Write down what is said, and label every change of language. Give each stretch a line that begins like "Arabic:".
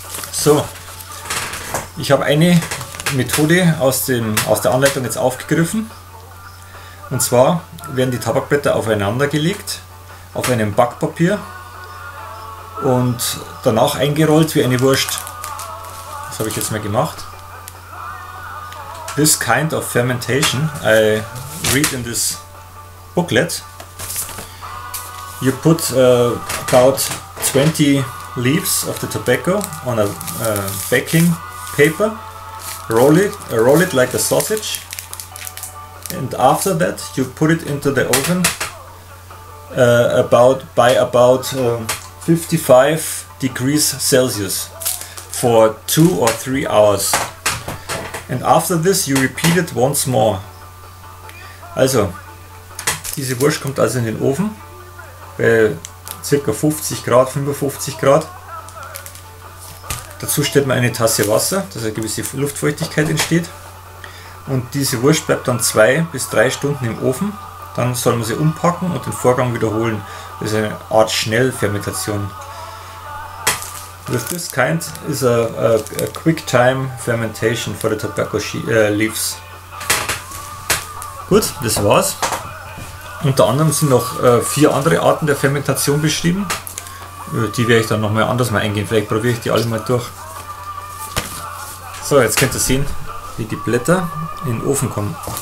German: So, ich habe eine Methode aus der Anleitung jetzt aufgegriffen. Und zwar werden die Tabakblätter aufeinander gelegt auf einem Backpapier und danach eingerollt wie eine Wurst. Das habe ich jetzt mal gemacht.
English: This kind of fermentation I read in this booklet. You put about 20 leaves of the tobacco on a baking paper, roll it like a sausage, and after that you put it into the oven about 55 degrees Celsius for 2 or 3 hours. And after this you repeat it once more.
German: Also, diese Wurst kommt also in den Ofen bei ca. 50 Grad, 55 Grad. Dazu stellt man eine Tasse Wasser, dass eine gewisse Luftfeuchtigkeit entsteht. Und diese Wurst bleibt dann 2 bis 3 Stunden im Ofen. Dann soll man sie umpacken und den Vorgang wiederholen. Das ist eine Art Schnellfermentation.
English: With this kind is a quick time fermentation for the tobacco leaves.
German: Gut, das war's. Unter anderem sind noch 4 andere Arten der Fermentation beschrieben. Die werde ich dann nochmal anders mal eingehen. Vielleicht probiere ich die alle mal durch. So, jetzt könnt ihr sehen, wie die Blätter in den Ofen kommen.